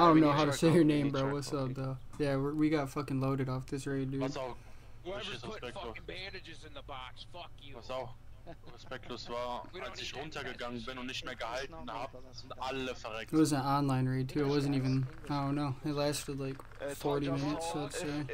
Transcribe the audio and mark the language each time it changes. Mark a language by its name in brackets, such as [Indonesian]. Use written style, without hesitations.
[English] I don't know how to say your name, bro. Charcoal. What's up, though? Yeah, we got fucking loaded off this raid, dude. What's up? Whoever's put fucking bandages in the box, fuck you. What's up? [German] Respektlos war, als ich runtergegangen bin und nicht mehr gehalten habe, sind alle verreckt. [English] It was an online raid too, it wasn't even, I don't know, it lasted like 40 minutes, so let's say.